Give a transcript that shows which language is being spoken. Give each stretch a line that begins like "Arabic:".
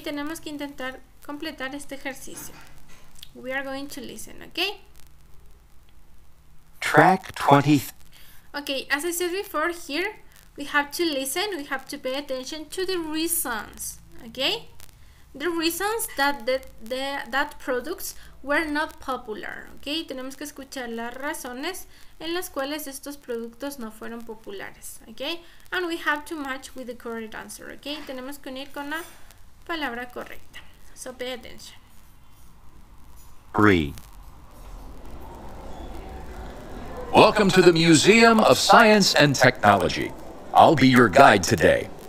Spanish: Tenemos que intentar completar este ejercicio.
English: We are going to listen, okay? Track 20. Okay, as I said before, here we have to listen, we have to pay attention to the reasons, okay? The reasons that that products were not popular, okay?
Spanish: Tenemos que escuchar las razones en las cuales estos productos no fueron populares, okay?
English: And we have to match with the correct answer, okay?
Spanish: Tenemos que unir con la palabra correcta.
English: So pay attention. Three. Welcome to the Museum of Science and Technology. I'll be your guide today.